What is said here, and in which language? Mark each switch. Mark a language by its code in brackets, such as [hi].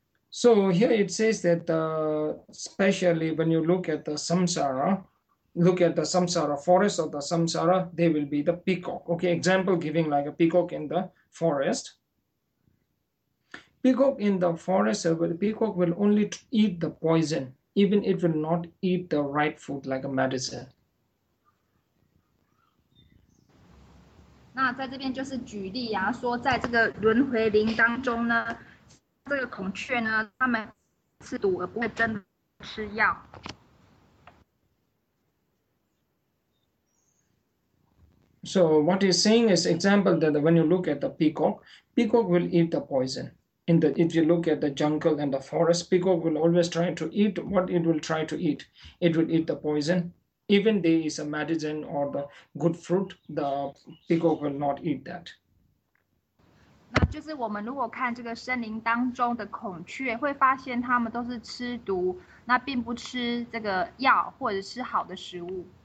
[en] So here it says that especially when you look at the samsara, look at the samsara forest of the samsara, they will be the peacock. Okay, example giving like a peacock in the forest. Peacock in the forest, the peacock will only eat the poison, even it will not eat the right food like a medicine. [zh] 那在这边就是举例啊，说在这个轮回林当中呢，这个孔雀呢，它们吃毒而不会真的吃药。 [en] So what he's saying is example that when you look at the peacock will eat the poison. In the if you look at the jungle and the forest, peacock will always try to eat what it will try to eat. It will eat the poison. Even there is a medicine or the good fruit, the peacock will not eat that. [zh] 那就是我们如果看这个森林当中的孔雀，会发现它们都是吃毒，那并不吃这个药或者吃好的食物。